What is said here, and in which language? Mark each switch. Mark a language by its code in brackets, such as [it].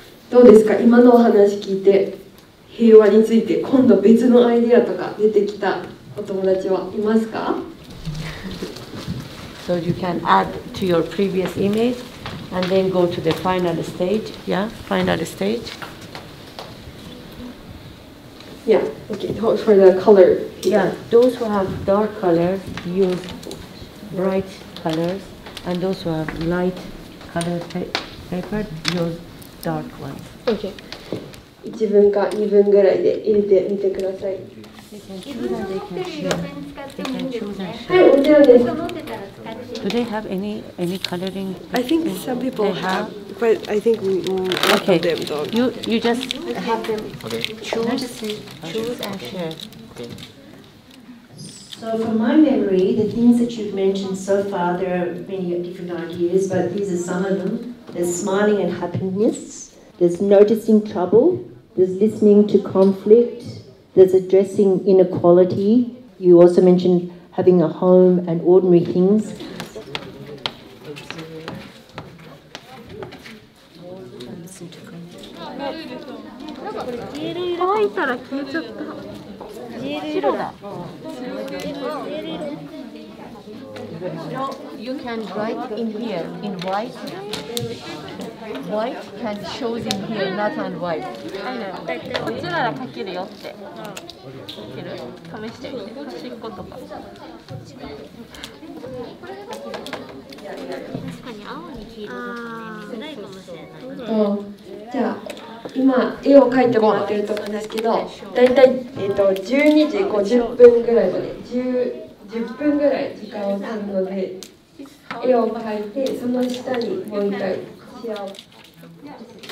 [ja] どうですか、今のお話聞いて平和について今度別のアイデアとか出てきたお友達はいますか？ [en] So you can add to your previous image and then go to the final stage. Yeah, final stage. Yeah, okay, for the color. Yeah, those who have dark colors use bright colors. And those who have light colored paper, use dark ones. Okay. [ja] 1分か2分ぐらいで入れてみてください。 [en] They can choose and they can share. Do they have any coloring? I think some people have, but I think most of them don't. Okay. You just have them choose and share. Okay. So from my memory, the things that you've mentioned so far, there are many different ideas, but these are some of them. There's smiling and happiness, there's noticing trouble, there's listening to conflict, there's addressing inequality. You also mentioned having a home and ordinary things. You can write in here, in white. White can show in here, not on white. [ja] こっちなら書けるよって。できる？試してみて。しっことか。確かに青に黄色とかね、見づらいかもしれない。じゃあ今絵を描いてもらってるとこですけど、だいたい12時50分ぐらいまで 10分ぐらい時間を取るので、絵を描いてその下にもう一回しよう。